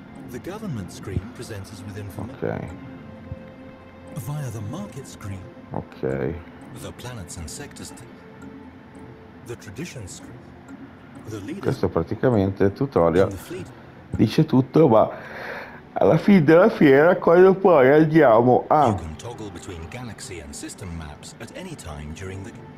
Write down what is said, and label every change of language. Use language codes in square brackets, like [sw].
[en] The government screen presents us with information. Okay. Via the market screen. Okay. The planets and sectors. The tradition screen. The leader. [it] Questo praticamente è tutorial. Dice tutto, ma alla fine della fiera, quando poi andiamo a... [en] You can toggle between galaxy and system maps at any time during the...